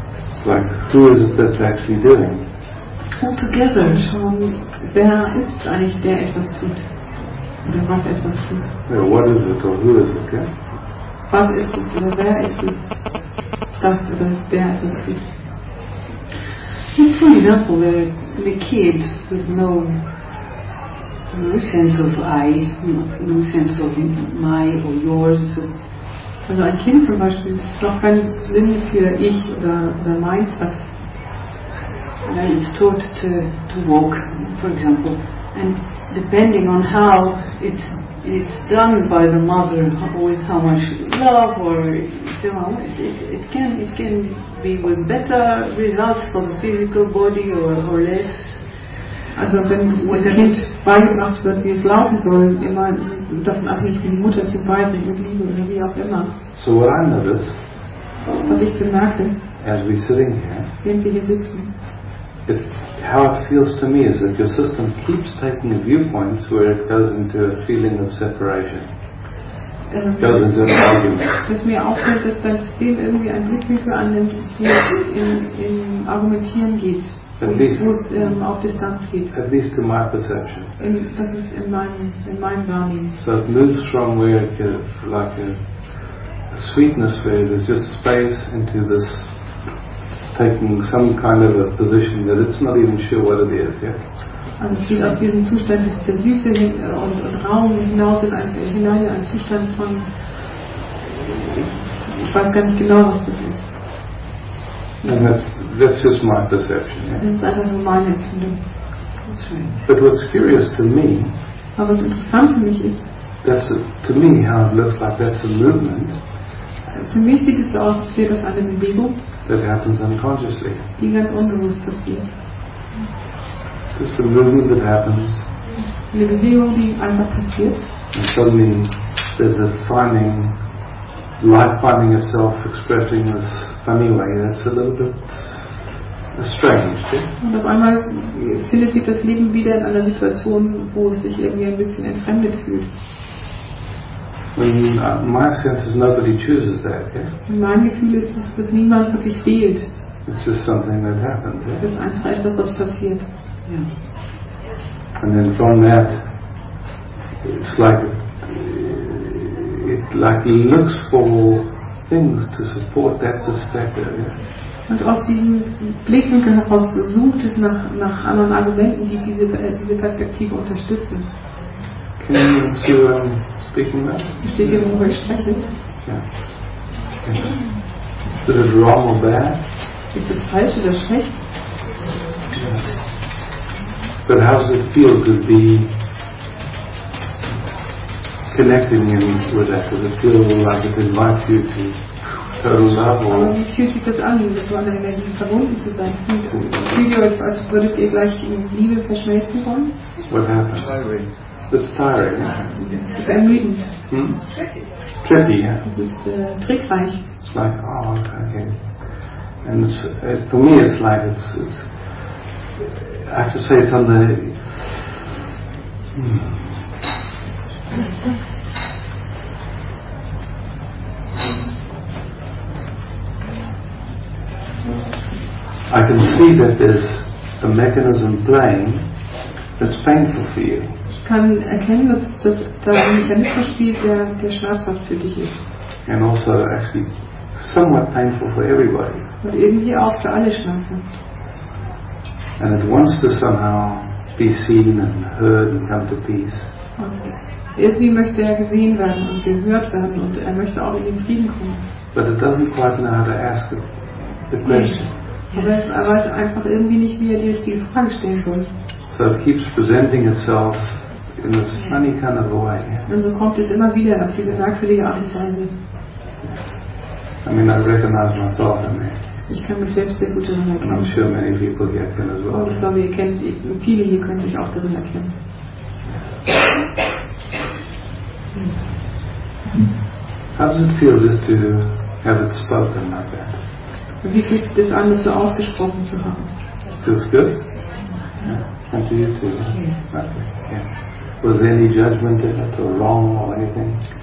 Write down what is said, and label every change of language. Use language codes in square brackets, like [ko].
[en] it's like, who is it that's actually doing? [de] Altogether, schon, wer ist eigentlich, der etwas tut? Oder was etwas tut? [en] Yeah, what is it or who is it, yeah? [de] Was ist es oder wer ist es, das oder der etwas tut? [en] If, for example, the kid with no sense of I, no sense of my or yours. So. [de] Also ein Kind zum Beispiel, das noch keinen Sinn für ich oder meins hat. [en] Then it's taught to walk, for example, and depending on how it's done by the mother, with how much love, or you know, it can be with better results for the physical body or less. [de] Also wenn das Kind beigebracht wird, wie es laufen soll, immer davon abhängig, wie die Mutter es beibringt und Liebe oder wie auch immer. [en] So what I notice, [de] was ich bemerke, [en] as we're sitting here, [de] während wir hier sitzen. [en] How it feels to me is that your system keeps taking viewpoints where it goes into a feeling of separation. [de] dass mir auffällt, dass dein System irgendwie einen Blickwinkel annimmt, wie es im Argumentieren geht, wo es auf Distanz geht. [en] At least to my perception. [de] Das ist in meinem Wahrnehmen. [en] So it moves from where it is, like a sweetness where there's just space into this taking some kind of a position that it's not even sure what it is yet. [de] Also es geht aus diesem Zustand des Zersüße und Raum hinaus in einen Zustand von, ich weiß gar nicht genau, was das ist. [en] And that's just my perception. Yeah. [de] Das ist einfach nur meine Empfindung. [en] But what's curious to me, [de] aber was interessant für mich ist, [en] that's to me how it looks like that's a movement. [de] Für mich sieht es so aus, als wäre das eine Bewegung, [en] that happens unconsciously. [de] Die ganz unbewusst passiert. [en] It's just a movement that happens. [de] Eine Bewegung, die einfach passiert. [en] And suddenly there's a finding, life finding itself expressing this funny way. That's a little bit strange. [de] Und auf einmal findet sich das Leben wieder in einer Situation, wo es sich irgendwie ein bisschen entfremdet fühlt. [en] My sense is nobody chooses that. Yeah? [de] Mein Gefühl ist, dass niemand wirklich wählt. [en] It's just something that happens. [de] Es ist einfach etwas, was passiert. [en] And then from that, it's like it looks for things to support that perspective. Yeah? [de] Und aus diesem Blickwinkel heraus sucht es nach anderen Argumenten, die diese Perspektive unterstützen. [en] Can you see where I'm speaking about? Yeah. Is it wrong or bad? [de] Ist es falsch oder schlecht? [en] Yeah. But how does it feel to be connecting in with that? Does it feel like it invites you to total love? Or [de] wie fühlt sich das an, mit so einer Energie verbunden zu sein? Fühlt ihr euch, als würdet ihr gleich in Liebe verschmelzen wollen? [en] What happened? It's tiring. [de] Es ist ermüdend. [en] Trippy, ja. [de] Es ist trickreich. [en] It's like, oh, okay. And for me, it's like, it's. I have to say, it's on the. I can see that there's a mechanism playing that's painful for you. [de] Ich kann erkennen, dass da ein Mechanismus spielt, der schmerzhaft für dich ist. [en] And also actually somewhat painful for everybody. [de] Und irgendwie auch für alle schmerzhaft. [en] And it wants to somehow be seen and heard and come to peace. [de] Und irgendwie möchte er gesehen werden und gehört werden und er möchte auch in den Frieden kommen. [en] But it doesn't quite know how to ask the question. [de] Aber er weiß einfach irgendwie nicht, wie er die richtige Frage stellen soll. [en] So it keeps presenting itself in this funny kind of a way. [de] Und so kommt es immer wieder auf diese merkwürdige Art und Weise. [en] I mean, I recognize myself in it. [de] Ich kann mich selbst sehr gut erinnern. [en] And I'm sure many people here can as well. [de] Und ich glaube, viele hier können sich auch darin erkennen. [en] How does it feel just to have it spoken like that? [de] Wie fühlt sich das an, das so ausgesprochen zu haben? [en] Feels good? And to you too. Okay. Yeah. Was there any judgment in it or wrong or anything?